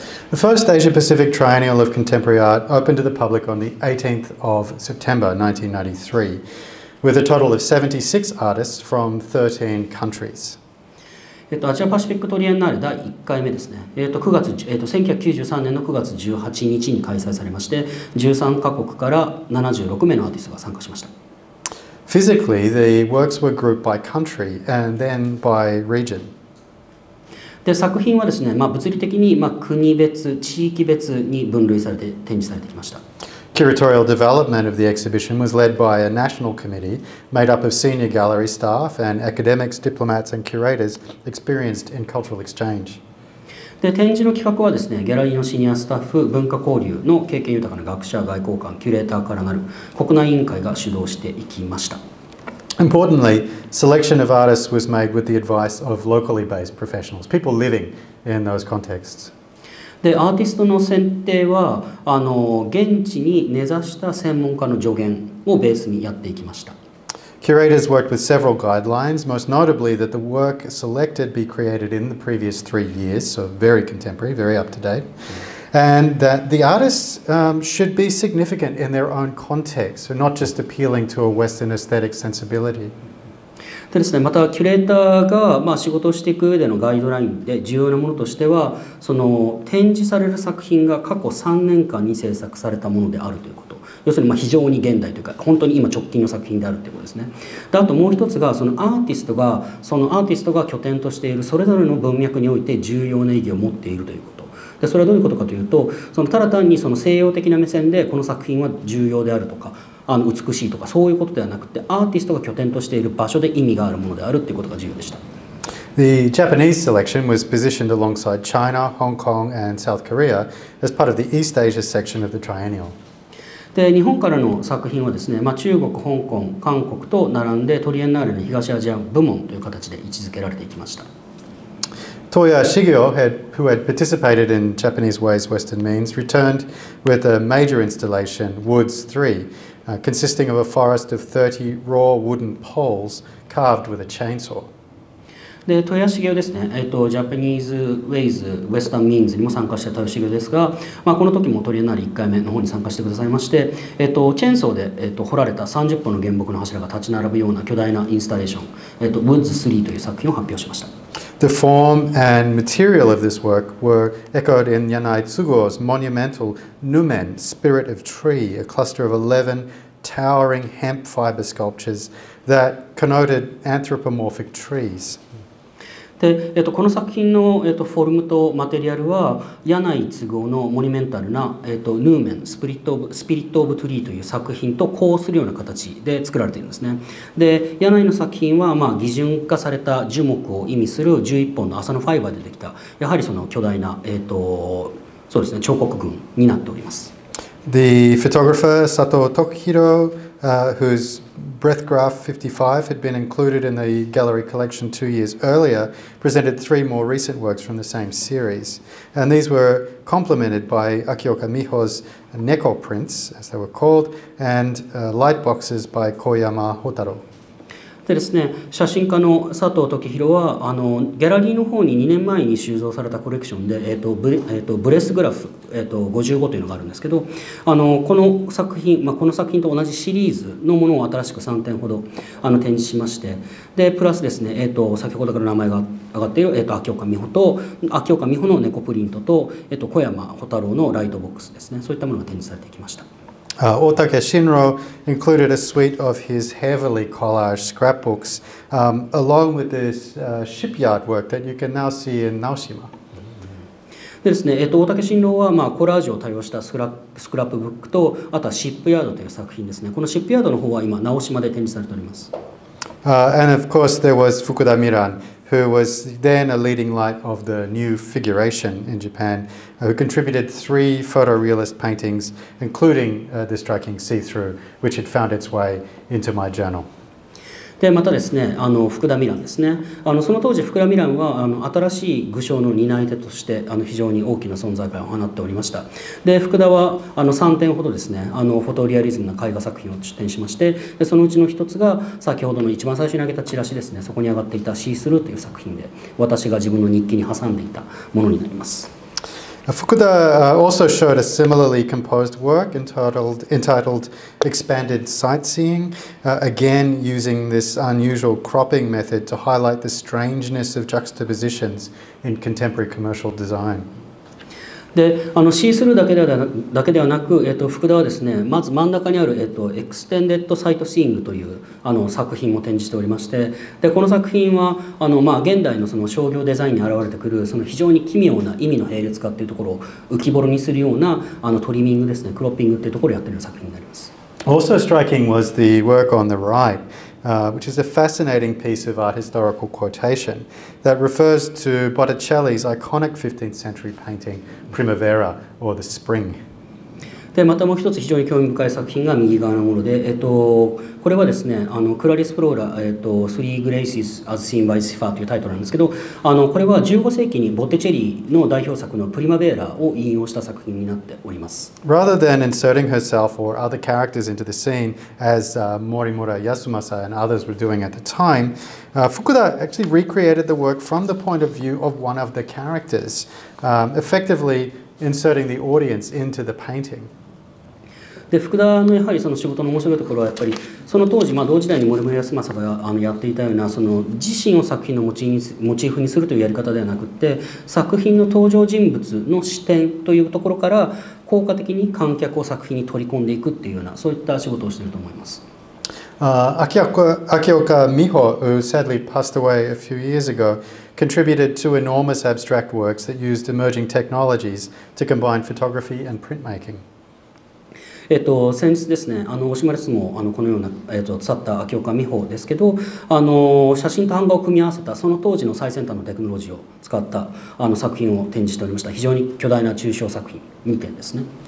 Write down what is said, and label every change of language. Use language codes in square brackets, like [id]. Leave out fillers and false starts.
[en] The first Asia-Pacific Triennial of Contemporary Art opened to the public on the 18th of September 1993, with a total of 76 artists from 13 countries. [ja] アジアパシフィックトリエンナーレ第1回目ですね。1993年の9月18日に開催されまして、13カ国から76名のアーティストが参加しました。 [en] Physically, the works were grouped by country and then by region. [ja] で作品はですね、まあ、物理的に、まあ、国別、地域別に分類されて展示されてきました。 [en] Curatorial development of the exhibition was led by a national committee made up of senior gallery staff and academics, diplomats and curators experienced in cultural exchange. [ja] で展示の企画はですね、ギャラリーのシニアスタッフ、文化交流の経験豊かな学者、外交官、キュレーターからなる国内委員会が主導していきました。 [en] Importantly, selection of artists was made with the advice of locally based professionals, people living in those contexts. [ja] で、アーティストの選定は、現地に根ざした専門家の助言をベースにやっていきました。 [en] Curators worked with several guidelines, most notably that the work selected be created in the previous 3 years, so very contemporary, very up to date, and that the artists, should be significant in their own context, so not just appealing to a Western aesthetic sensibility. [ja] でですね、またキュレーターが、まあ、仕事をしていく上でのガイドラインで重要なものとしては、その展示される作品が過去3年間に制作されたものであるということ、要するにまあ非常に現代というか本当に今直近の作品であるということですね。であともう一つが、そのアーティストが拠点としているそれぞれの文脈において重要な意義を持っているということ、でそれはどういうことかというと、そのただ単にその西洋的な目線でこの作品は重要であるとか美しいとかそういうことではなくて、アーティストが拠点としている場所で意味があるものであるということが重要でした。 [en] The Japanese selection was positioned alongside China, Hong Kong and South Korea as part of the East Asia section of the Triennial. [ja] で日本からの作品はですね、まあ、中国、香港、韓国と並んでトリエンナーレの東アジア部門という形で位置づけられていきました。 [en] Toya Shigeo, who had participated in Japanese Ways Western Means, returned with a major installation, Woods 3, consisting of a forest of 30 raw wooden poles carved with a chainsaw. [ja] で、Toya Shigeo ですね、Japanese Ways Western Means にも参加した Toya Shigeo ですが、まあ、この時もトリエンナーレ1回目の方に参加してくださいまして、チェーンソーで、掘られた30本の原木の柱が立ち並ぶような巨大なインスタレーション、Woods 3という作品を発表しました。 [en] The form and material of this work were echoed in Yanai Tsugo's monumental Numen, Spirit of Tree, a cluster of 11 towering hemp fiber sculptures that connoted anthropomorphic trees. [ja] で、この作品の、フォルムとマテリアルは柳井嗣夫のモニュメンタルな、ヌーメンスピリットオブトゥリーという作品と呼応するような形で作られているんですね。で、柳井の作品は、まあ、擬人化された樹木を意味する11本の麻のファイバーでできた、やはりその巨大な、そうですね、彫刻群になっております。 [en] The photographer Sato Tokuhiro、who's Breath Graph 55 had been included in the gallery collection 2 years earlier, presented 3 more recent works from the same series. And these were complemented by Akioka Miho's Neko prints, as they were called, and light boxes by Koyama Hotaro. [ja] でですね、写真家の佐藤時博はあのギャラリーの方に2年前に収蔵されたコレクションで、ブレスグラフ、55というのがあるんですけど、あのこの作品、まあ、この作品と同じシリーズのものを新しく3点ほどあの展示しまして、でプラスですね、先ほどから名前が上がっている、秋岡美穂と秋岡美穂の猫プリントと、小山穂太郎のライトボックスですね、そういったものが展示されてきました。 [en] Otake Shinro included a suite of his heavily collaged scrapbooks, along with this shipyard work that you can now see in Naoshima. [ja] でですね、Otake Shinro は、まあ、コラージュを多用したスクラップブックと、あとはシップヤードという作品ですね。このシップヤードの方は今、直島で展示されております。 [en] And of course, there was Fukuda Miran, who was then a leading light of the new figuration in Japan, who contributed 3 photorealist paintings, including the striking see-through, which had found its way into my journal. [ja] でまたですね、あの福田ミランですね、あのその当時福田ミランはあの新しい具象の担い手としてあの非常に大きな存在感を放っておりました。で福田はあの3点ほどですね、あのフォトリアリズムな絵画作品を出展しまして、でそのうちの一つが先ほどの一番最初に挙げたチラシですね、そこに上がっていたシースルーという作品で、私が自分の日記に挟んでいたものになります。 [en] Fukuda also showed a similarly composed work entitled Expanded Sightseeing, again using this unusual cropping method to highlight the strangeness of juxtapositions in contemporary commercial design. [ja] で、あのシースルーだけではなく、福田はですね、まず真ん中にある、エクステンデッドサイトシーングというあの作品も展示しておりまして、でこの作品はあの、まあ、現代 の, その商業デザインに現れてくるその非常に奇妙な意味の並列化というところを浮き彫りにするようなあのトリミングですね、クロッピングというところをやっている作品になります。 [en] Also striking was the work on the right, which is a fascinating piece of art historical quotation that refers to Botticelli's iconic 15th century paintingPrimavera or the spring. [ja] でまたもう一つ非常に興味深い作品が右側のもので、これはですね、あのクラリス・フローラ、Three Graces as Seen by Siffa というタイトルなんですけど、あのこれは15世紀にボテチェリの代表作のプリマベーラを引用した作品になっております。 [en] Rather than inserting herself or other characters into the scene as Morimura Yasumasa and others were doing at the time, Fukuda actually recreated the work from the point of view of one of the characters, effectively inserting the audience into the painting. [ja] で福田のやはりその仕事の面白いところはやっぱりその当時、まあ、同時代に森村康政があのやっていたようなその自身を作品のモチーフにするというやり方ではなくって、作品の登場人物の視点というところから効果的に観客を作品に取り込んでいくというようなそういった仕事をしていると思います。 [en] Akioka Miho, who sadly passed away a few years ago, contributed two enormous abstract works that used emerging technologies to combine photography and printmaking. [ja] 先日ですね、あの惜しまれつもあのこのような、去った秋岡美穂ですけど、あの写真と版画を組み合わせたその当時の最先端のテクノロジーを使ったあの作品を展示しておりました。非常に巨大な抽象作品2点ですね。